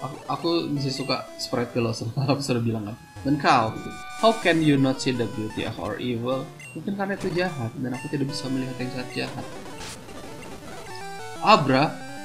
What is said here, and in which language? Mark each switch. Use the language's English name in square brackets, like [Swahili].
[Indonesian] Aku masih suka spread Velosom. Aku sudah bilang kan. Dan kau, [English] how can you not see the beauty of our evil? [Indonesian] Mungkin karena itu jahat dan aku tidak bisa melihat yang sangat jahat. Abra.